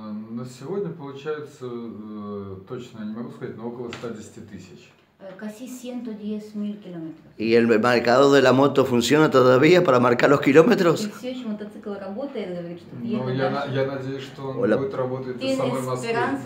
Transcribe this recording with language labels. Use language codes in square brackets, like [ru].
[ru] На сегодня получается, точно не могу сказать, но около 110 тысяч. [es] Casi 110 mil kilómetros. ¿Y el marcador de la moto funciona todavía para marcar los kilómetros? [ru] Я надеюсь, что он будет работать до самой Москвы.